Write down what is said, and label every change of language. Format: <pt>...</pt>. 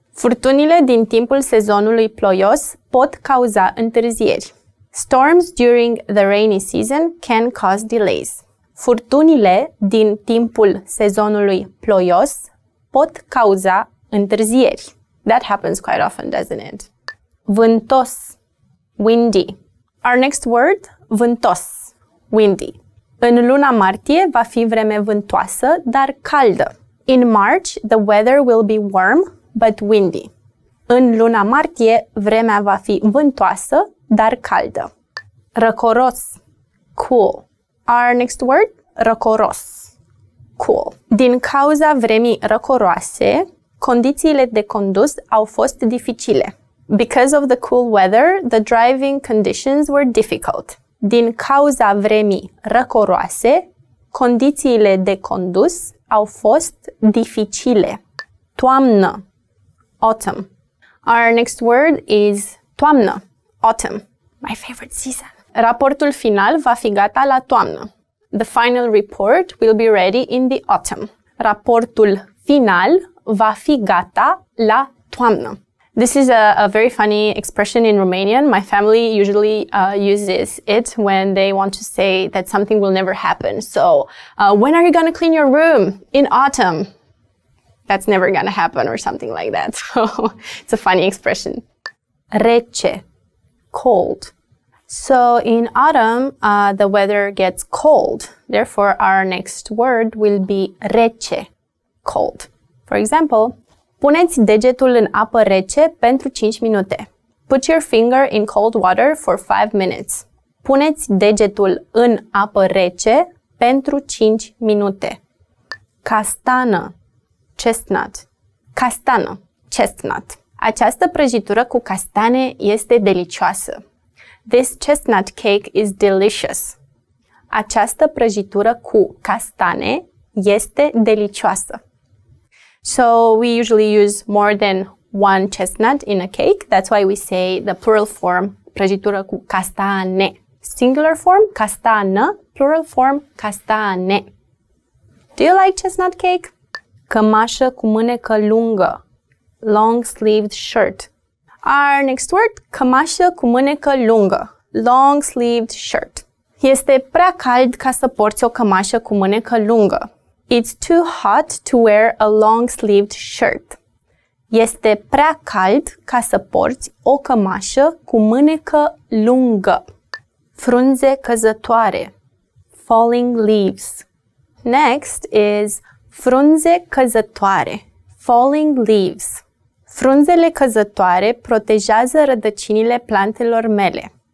<ro>Furtunile din timpul sezonului ploios pot cauza întârzieri.</ro> <en>Storms during the rainy season can cause delays.</en> <ro>Furtunile din timpul sezonului ploios pot cauza întârzieri.</ro> <en>That happens quite often, doesn't it? Vântos, windy. Our next word,</en> <ro>vântos, windy. În luna martie va fi vreme vântoasă, dar caldă.</ro> <en>In March, the weather will be warm, but windy.</en> <ro>În luna martie, vremea va fi vântoasă, dar caldă.</ro> <en>Răcoros, cool. Our next word, răcoros, cool.</en> <ro>Din cauza vremii răcoroase, condițiile de condus au fost dificile.</ro> <en>Because of the cool weather, the driving conditions were difficult.</en> <ro>Din cauza vremii răcoroase, condițiile de condus au fost dificile.</ro> <en>Toamnă, autumn. Our next word is toamnă, autumn. My favorite season.</en> <ro>Raportul final va fi gata la toamnă.</ro> <en>The final report will be ready in the autumn.</en> <ro>Raportul final va fi gata la toamnă.</ro> <en>This is a very funny expression in Romanian. My family usually uses it when they want to say that something will never happen. So, when are you going to clean your room? In autumn. That's never going to happen or something like that. So, it's a funny expression. Rece, cold. So, in autumn, the weather gets cold. Therefore, our next word will be rece, cold. For example,</en> <ro>puneți degetul în apă rece pentru 5 minute.</ro> <en>Put your finger in cold water for 5 minutes.</en> <ro>Puneți degetul în apă rece pentru 5 minute.</ro> <en>Castană, chestnut. Castană, chestnut.</en> <ro>Această prăjitură cu castane este delicioasă.</ro> <en>This chestnut cake is delicious.</en> <ro>Această prăjitură cu castane este delicioasă.</ro> <en>So we usually use more than one chestnut in a cake. That's why we say the plural form,</en> <ro>prăjitură cu castane.</ro> <en>Singular form, castană. Plural form, castane. Do you like chestnut cake?</en> <ro>Cămașă cu mânecă lungă.</ro> <en>Long-sleeved shirt. Our next word,</en> <ro>cămașă cu mânecă lungă.</ro> <en>Long-sleeved shirt.</en> <ro>Este prea cald ca să porți o cămașă cu mânecă lungă.</ro> <en>It's too hot to wear a long-sleeved shirt.</en> <ro>Este prea cald ca să porți o cămașă cu mânecă lungă. Frunze căzătoare.</ro> <en>Falling leaves. Next is</en> <ro>frunze căzătoare.</ro> <en>Falling leaves.</en> <ro>Frunzele căzătoare protejează rădăcinile plantelor mele.</ro>